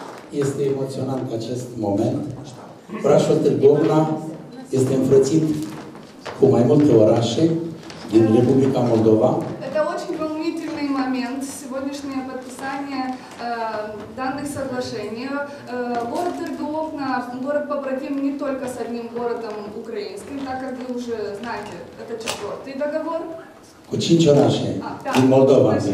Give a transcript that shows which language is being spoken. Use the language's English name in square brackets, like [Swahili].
[Romanian] Este emoționant acest moment. Brașul Târgovna este înfrățit cu mai multe orașe din Republica Moldova. [Russian] Это очень волнительный момент. Сегодняшнее подписание данных соглашений. Город Târgovna, город побратим не только с одним городом украинским, так как вы уже знаете, это четвертый договор. [Romanian] Cu cinci orașe din Moldova.